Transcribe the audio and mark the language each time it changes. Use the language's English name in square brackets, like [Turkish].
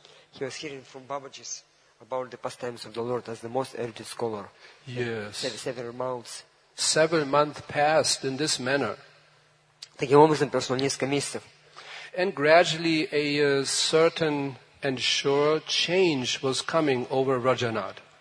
[English] He was hearing from Babaji about the pastimes of the Lord as the most erudite scholar. Yes. Several months. Several months passed in this manner. [Russian] Таким образом прошло несколько месяцев. [English] And gradually a certain and sure change was coming over Rajanath.